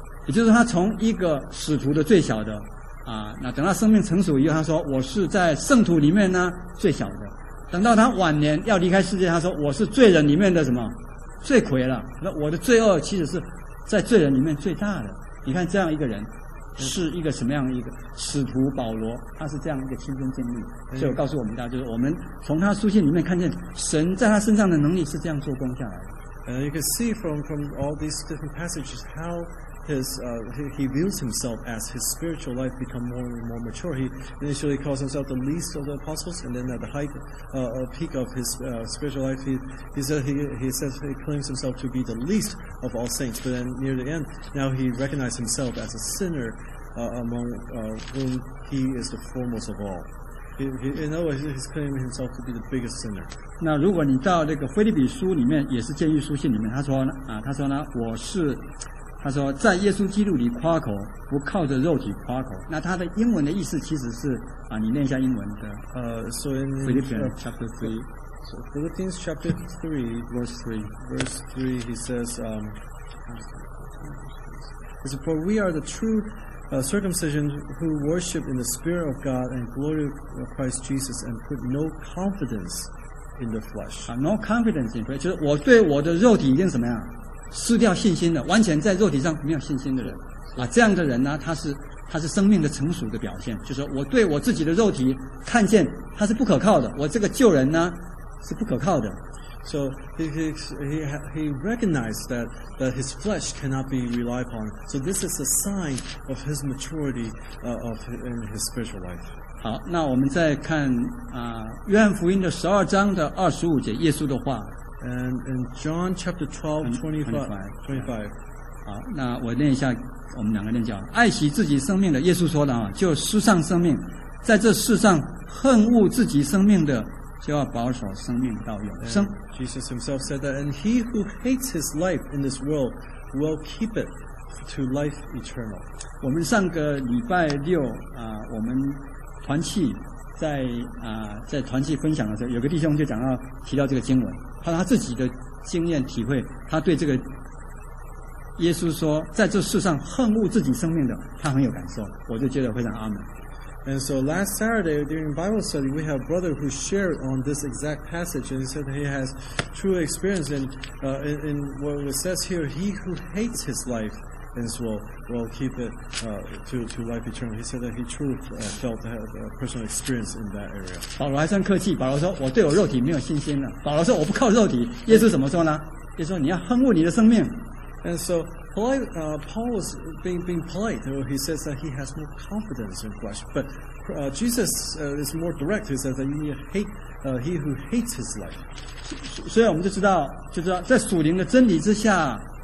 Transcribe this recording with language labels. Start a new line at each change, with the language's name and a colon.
Chinese: 也就是他从一个使徒的最小的那等他生命成熟以后，他说我是在圣徒里面呢最小的，等到他晚年要离开世界，他说我是罪人里面的什么罪魁了，那我的罪恶其实是在罪人里面最大的。你看这样一个人是一个什么样的一个使徒保罗，他是这样一个亲身经历，所以我告诉我们大家，就是我们从他书信里面看见神在他身上的能力是这样做工下来的。
English: You can see from all these different passages how he views himself as his spiritual life become more and more mature. He initially calls himself the least of the apostles, and then at the height or peak of his spiritual life, he says he claims himself to be the least of all saints. But then near the end, now he recognizes himself as a sinner among whom he is the foremost of all. In other words, he's claiming himself to be the biggest sinner.
Chinese: 那如果你到那个腓立比书里面，也是监狱书信里面，他说呢，我是。他说在耶稣基督里夸口，不靠着肉体夸口。那他的英文的意思其实是你念一下英文的。
English: So in Philippians chapter 3. So Philippians chapter 3 verse 3. Verse 3 he says, For we are the true circumcision who worship in the spirit of God and glory of Christ Jesus and put no confidence in the flesh. No confidence in flesh.
Chinese: 就是我对我的肉体已经什么样失掉信心的，完全在肉体上没有信心的人这样的人呢，他是生命的成熟的表现，就是我对我自己的肉体看见他是不可靠的，我这个救人呢是不可靠的。
English: So he recognized that his flesh cannot be relied upon. So this is a sign of his maturity in his spiritual life.
Chinese: 好，那我们再看约翰福音的十二章的二十五节，耶稣的话。
English: And in John chapter 12:25.
Chinese: 好，那我念一下，我们两个念叫爱惜自己生命的，耶稣说的就失丧生命，在这世上恨恶自己生命的就要保守生命到永生。
English: Jesus himself said that, and he who hates his life in this world will keep it to life eternal.
Chinese: 我们上个礼拜六我们团契在团契分享的时候，有个弟兄就讲到提到这个经文，他说他自己的经验体会，他对这个耶稣说在这世上恨恶自己生命的，他很有感受，我就觉得非常阿门。
English: And so last Saturday during Bible study we have a brother who shared on this exact passage, and he said he has true experience in what it says here, he who hates his life and so we'll keep it to life eternal. He said that he truly felt that personal experience in that area.
Chinese: 保罗还算客气，保罗说：“我对我肉体没有信心了。”保罗说：“我不靠肉体。”耶稣怎么说呢？耶稣说：“你要恨恶你的生命。”
English: And so Paul was being polite. He says that he has no confidence in flesh, but Jesus is more direct. He says that you need to hate he who hates his life.
Chinese: 所以我们就知道，在属灵的真理之下。